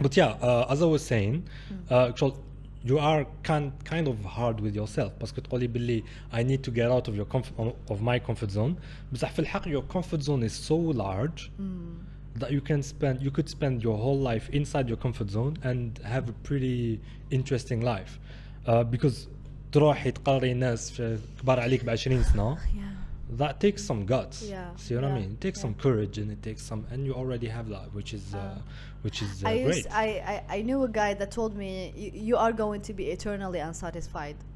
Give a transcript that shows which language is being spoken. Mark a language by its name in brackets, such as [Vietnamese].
[English] But yeah, as I was saying, you are kind of hard with yourself because you said, I need to get out of my comfort zone. But in fact, your comfort zone is so large that you could spend your whole life inside your comfort zone and have a pretty interesting life. Because [Arabic] تروح تقري ناس كبار عليك بعشرين سنة. [English] That takes some guts. Yeah. See what I mean? It takes some courage and it takes some, and you already have that, which is great. I knew a guy that told me you are going to be eternally unsatisfied.